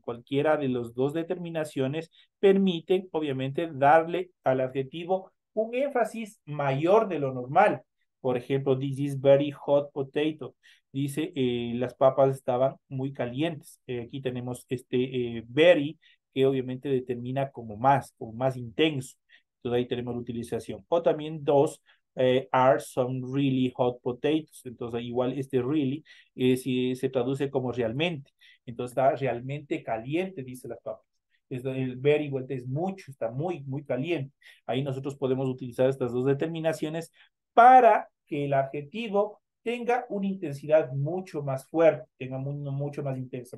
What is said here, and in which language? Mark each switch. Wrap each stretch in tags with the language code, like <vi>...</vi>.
<es>Cualquiera de las dos determinaciones permiten, obviamente, darle al adjetivo un énfasis mayor de lo normal. Por ejemplo,</es> <en>this is very hot potato.</en> <es>Dice, las papas estaban muy calientes. Aquí tenemos este very, que obviamente determina como más intenso. Entonces ahí tenemos la utilización. O también dos.</es> <en>Are some really hot potatoes.</en> <es>Entonces, igual este really si se traduce como realmente. Entonces, está realmente caliente, dice las papas. El very igual es mucho, está muy, muy caliente. Ahí nosotros podemos utilizar estas dos determinaciones para que el adjetivo tenga una intensidad mucho más fuerte, tenga mucho más intensa.</es>